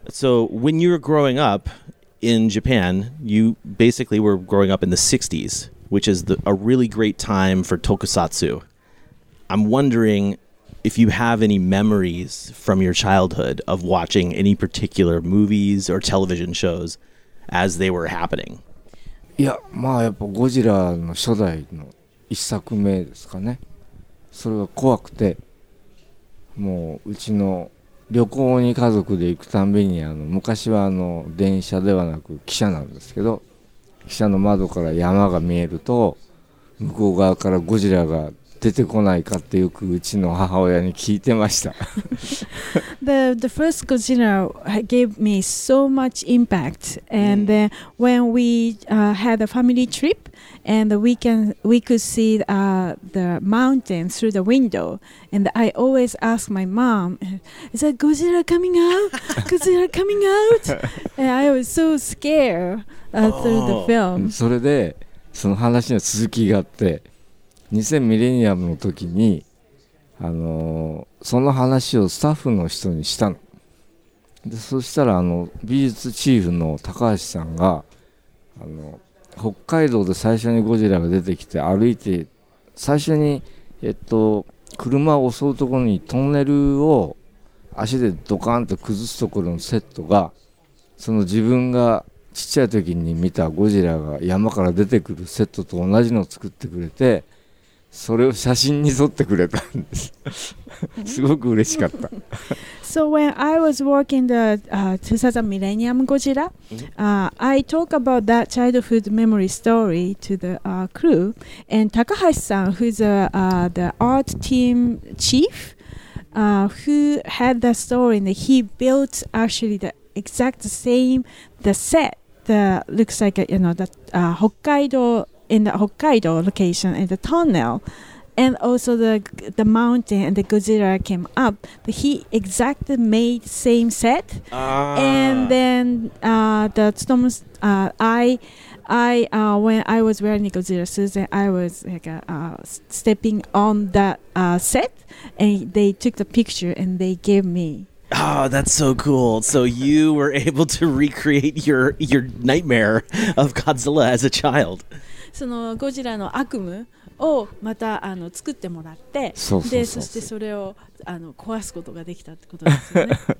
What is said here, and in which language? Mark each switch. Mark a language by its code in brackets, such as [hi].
[en] So when you were growing up in Japan, you basically were growing up in the 60s, which is a really great time for tokusatsu. I'm wondering if you have any memories from your childhood of watching any particular movies or television shows as they were happening. [ja] Yeah, ゴジラの初代の一作目ですかね。それは怖くてもううちの旅行に家族で行くたびに昔は電車ではなく汽車なんですけど、汽車の窓から山が見えると向こう側からゴジラが出てこないかってよくうちの母親に聞いてました。 [en] the first Godzilla gave me so much impact. And then when we had a family trip, and we could see the mountain through the window, and I always ask my mom, "Is that Godzilla coming out? Godzilla coming out?" And I was so scared through the film. [ja] それでその話の続きがあって。2000ミレニアムの時に、その話をスタッフの人にしたの。でそしたら美術チーフの高橋さんが北海道で最初にゴジラが出てきて歩いて最初に、車を襲うところにトンネルを足でドカンと崩すところのセットがその自分がちっちゃい時に見たゴジラが山から出てくるセットと同じのを作ってくれて、それを写真に撮ってくれたんです。すごく嬉しかった。 [en] So when I was working the 2000 Millennium Godzilla, I talk about that childhood memory story to the crew. And Takahashi-san, who's the art team chief, who had that story, and he built actually the exact same the set that looks like Hokkaido location and the tunnel, and also the mountain and the Godzilla came up. He exactly made same set, and then the storm. When I was wearing Godzilla suit, I was like stepping on that set, and they took the picture and they gave me. Oh, that's so cool. So you were able to recreate your nightmare of Godzilla as a child. [ja] そのゴジラの悪夢をまた作ってもらって、そしてそれを壊すことができたってことですよね。